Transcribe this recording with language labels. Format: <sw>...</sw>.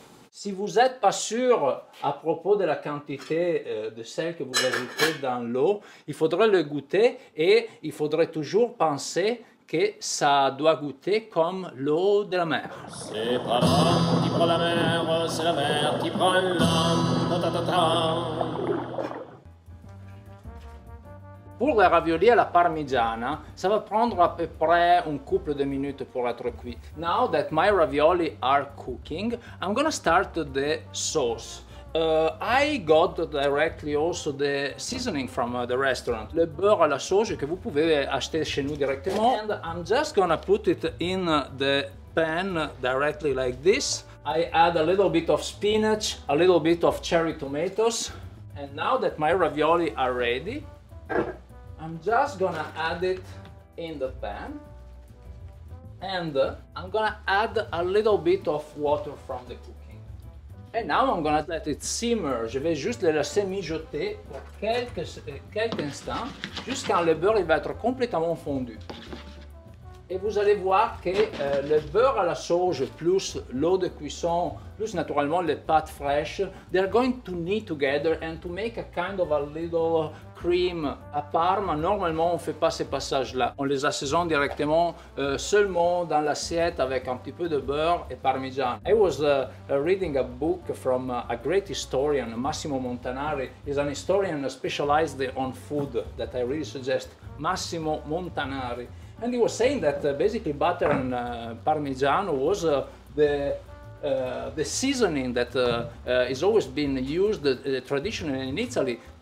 <fr>Si vous êtes pas sûr à propos de la quantité de sel que vous ajoutez dans l'eau, il faudrait le goûter et il faudrait toujours penser que ça doit goûter comme l'eau de la mer. C'est pas l'homme qui prend la mer, c'est la mer qui prend l'homme. Ta ta ta ta. Pour la ravioli à la parmigiana, ça va prendre à peu près un couple de minutes pour être cuit.</fr> <en>Now that my ravioli are cooking, I'm gonna start the sauce. I got directly also the seasoning from the restaurant. Le beurre à la sauge que vous pouvez acheter chez nous directement. And I'm just gonna put it in the pan directly like this. I add a little bit of spinach, a little bit of cherry tomatoes. And now that my ravioli are ready, I'm just gonna add it in the pan and I'm gonna add a little bit of water from the cooking. And now I'm gonna let it simmer.</en> <fr>Je vais juste le laisser mijoter pour quelques instants jusqu'à le beurre il va être complètement fondu. Et vous allez voir que le beurre à la sauge plus l'eau de cuisson plus naturellement les pâtes fraîches,</fr> <en>they're going to knead together and to make a kind of a little cream.</en> <fr>À Parma, normalement, on ne fait pas ces passages-là. On les assaisonne directement seulement dans l'assiette avec un petit peu de beurre et parmigiano.</fr> <en>I was reading a book from a great historian, Massimo Montanari. He's an historian specialized on food that I really suggest, Massimo Montanari. And he was saying that basically butter and parmigiano was the seasoning that has always been used traditionally in Italy.</en>